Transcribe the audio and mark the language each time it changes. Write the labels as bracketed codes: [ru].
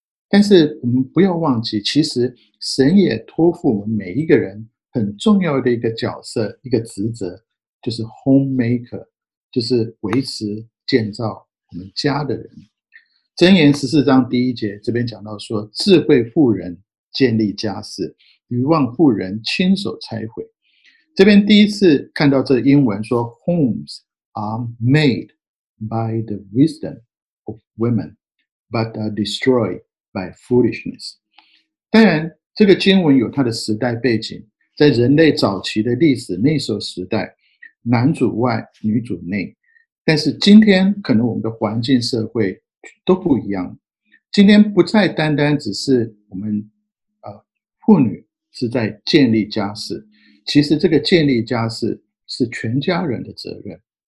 [zh] 但是我们不要忘记，其实神也托付我们每一个人很重要的一个角色，一个职责，就是 homemaker， 就是维持建造我们家的人。箴言十四章第一节这边讲到说，智慧妇人建立家室，愚妄妇人亲手拆毁。这边第一次看到这英文说 [en] homes are made by the wisdom of women but are destroyed by foolishness。 [zh] 当然这个经文有它的时代背景，在人类早期的历史，那时候时代男主外女主内，但是今天可能我们的环境社会都不一样，今天不再单单只是我们妇女是在建立家室，其实这个建立家室是全家人的责任。